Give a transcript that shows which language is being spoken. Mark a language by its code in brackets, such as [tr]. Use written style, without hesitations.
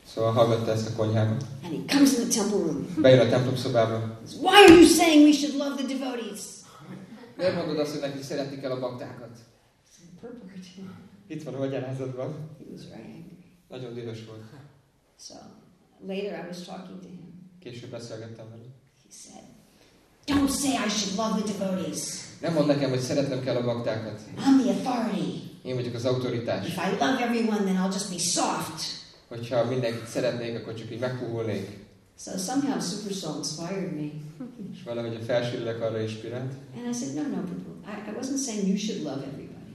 [hu] Szóval hallgatta ezt a konyhában. [en] And he comes in the temple room. [hu] Bejön a templom szobába. [en] Why are you saying we should love the devotees? [hu] Miért mondod azt, hogy neki szeretik el a baktákat? [en] Purport. [hu] Itt van a magyarázatban. [en] He was very angry. [hu] Nagyon dühös volt. [en] So, later I was talking to him. [hu] Később beszélgettem vele. [en] He said, don't say I should love the devotees. [hu] Nem mond nekem, hogy szeretnem kell a baktákat. [en] I'm the authority. [hu] Én vagyok az autoritás. [en] If I love everyone, then I'll just be soft. [hu] Hogyha mindenkit szeretnék, akkor csak így megpuhulnék. [en] So somehow Super Soul inspired me. [hu] És valahogy a felső lélek arra inspirált. [en] And I said, no, I wasn't saying you should love everybody.